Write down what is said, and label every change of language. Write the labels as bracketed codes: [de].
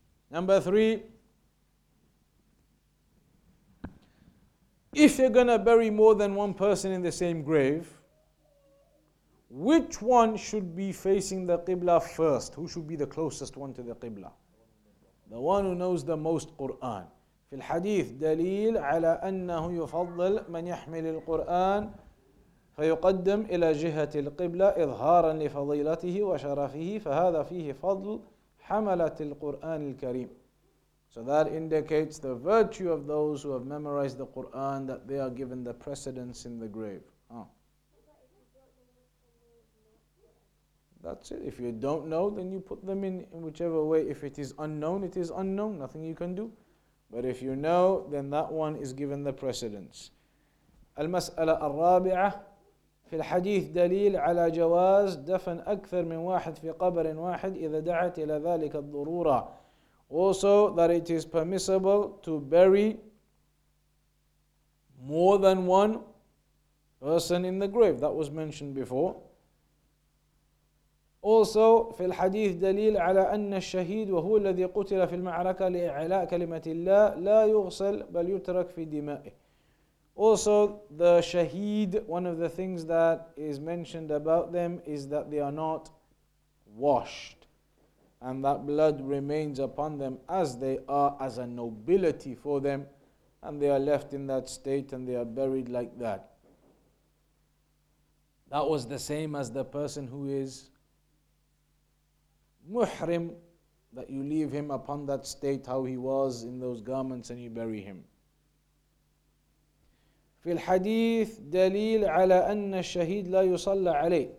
[en] Number three, if you're going to bury more than one person in the same grave, which one should be facing the Qibla first? Who should be the closest one to the Qibla? The one who knows the most Qur'an. [ar] في الحديث دليل على أنه يفضل من يحمل القرآن فيقدم إلى جهة القبلة إظهارا لفضيلته وشرفه فهذا فيه فضل حملة القرآن الكريم. [en] So that indicates the virtue of those who have memorized the Quran, that they are given the precedence in the grave. That's it. If you don't know, then you put them in whichever way. If it is unknown, it is unknown. Nothing you can do. But if you know, then that one is given the precedence. [ar] المسألة الرابعة في الحديث دليل على جواز دفن أكثر من واحد في قبر واحد إذا دعت إلى ذلك الضرورة. [en] Also, that it is permissible to bury more than one person in the grave. That was mentioned before. Also, [ar] في الحديث دليل على أن الشهيد وهو الذي قتل في المعركة لإعلاء كلمة الله لا يغسل بل يترك في دمائه. [en] Also, the shaheed, one of the things that is mentioned about them is that they are not washed, and that blood remains upon them as they are, as a nobility for them, and they are left in that state and they are buried like that. That was the same as the person who is muhrim, that you leave him upon that state how he was in those garments and you bury him. [ar] في الحديث دليل على أن الشهيد لا يصلى عليه.